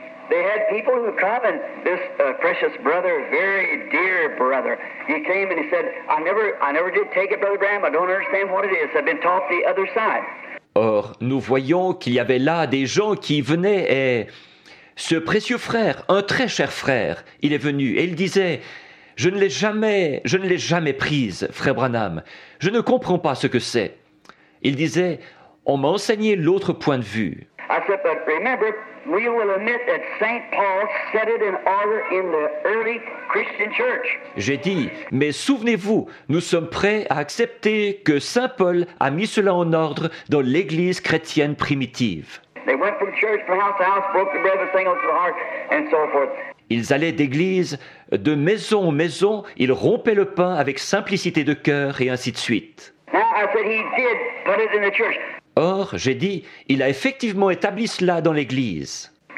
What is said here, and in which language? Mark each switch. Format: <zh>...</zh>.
<en>They had people who come, and this precious brother, very dear brother, he came and he said, I never did take it, Brother Graham. I don't understand what it is. I've been taught the other side.</en> <fr>Or, nous voyons qu'il y avait là des gens qui venaient, et ce précieux frère, un très cher frère, il est venu, et il disait, je ne l'ai jamais prise, Frère Branham. Je ne comprends pas ce que c'est. Il disait, on m'a enseigné l'autre point de vue.</fr> <en>I said, but remember, we will admit that Saint Paul set it in order in the early Christian church.</en> <fr>J'ai dit, mais souvenez-vous, nous sommes prêts à accepter que Saint Paul a mis cela en ordre dans l'Église chrétienne primitive.</fr> <en>They went from church from house to house, broke the bread and sang unto the heart, and so forth.</en> <fr>Ils allaient d'église, de maison en maison, ils rompaient le pain avec simplicité de cœur et ainsi de suite.</fr> <en>Now I said he did put it in the church.</en> <fr>Or, j'ai dit, il a effectivement établi cela dans l'Église.</fr>